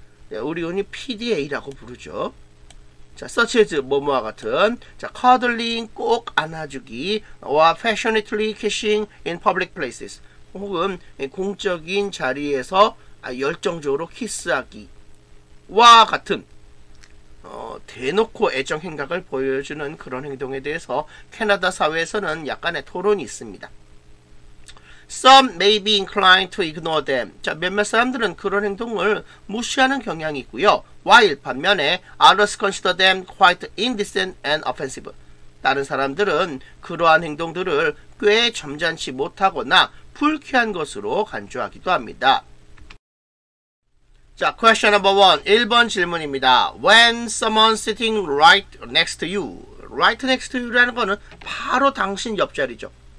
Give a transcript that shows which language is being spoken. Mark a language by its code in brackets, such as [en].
[ko] 네, 우리 흔히 PDA라고 부르죠. 자, such as, 뭐뭐와 같은, 자, cuddling, 꼭 안아주기, [en] or passionately kissing in public places, [ko] 혹은 공적인 자리에서 열정적으로 키스하기와 같은, 대놓고 애정 행각을 보여주는 그런 행동에 대해서 캐나다 사회에서는 약간의 토론이 있습니다. [en] Some may be inclined to ignore them. [ko] 자, 몇몇 사람들은 그런 행동을 무시하는 경향이 있고요. [en] While 반면에 others consider them quite indecent and offensive. [ko] 다른 사람들은 그러한 행동들을 꽤 점잖지 못하거나 불쾌한 것으로 간주하기도 합니다. [en] 자, question number one. [ko] 1번 질문입니다. [en] When someone sitting right next to you. Right next to you [ko] 라는 거는 바로 당신 옆자리죠.